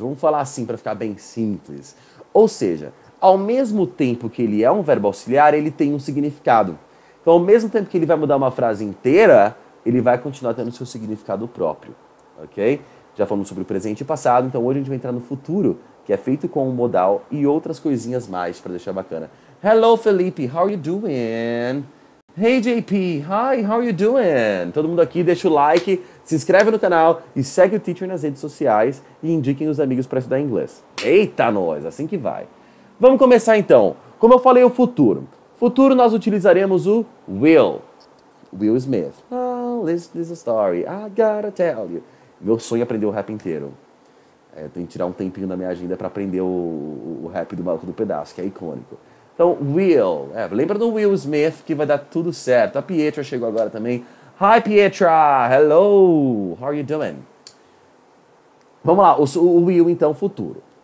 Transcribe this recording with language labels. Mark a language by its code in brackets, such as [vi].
[pt] Vamos falar assim para ficar bem simples. Ou seja, ao mesmo tempo que ele é um verbo auxiliar, ele tem um significado. Então, ao mesmo tempo que ele vai mudar uma frase inteira, ele vai continuar tendo seu significado próprio, ok? Já falamos sobre o presente e passado, então hoje a gente vai entrar no futuro, que é feito com o modal e outras coisinhas mais para deixar bacana. [en] Hello, Felipe, how are you doing? Hey, JP, hi, how are you doing? [pt] Todo mundo aqui, deixa o like, se inscreve no canal e segue o Teacher nas redes sociais e indiquem os amigos para estudar inglês. Eita, nós, assim que vai. Vamos começar então. Como eu falei, o futuro. Futuro nós utilizaremos o will. [en] Will Smith. Oh, listen to this story. I gotta tell you. [pt] Meu sonho é aprender o rap inteiro. Eu tenho que tirar um tempinho da minha agenda para aprender o rap do Maluco do Pedaço, que é icônico. Então, Will. É, lembra do Will Smith que vai dar tudo certo. A Pietra chegou agora também. [en] Hi, Pietra! Hello! How are you doing? [pt] Vamos lá, o Will então, futuro.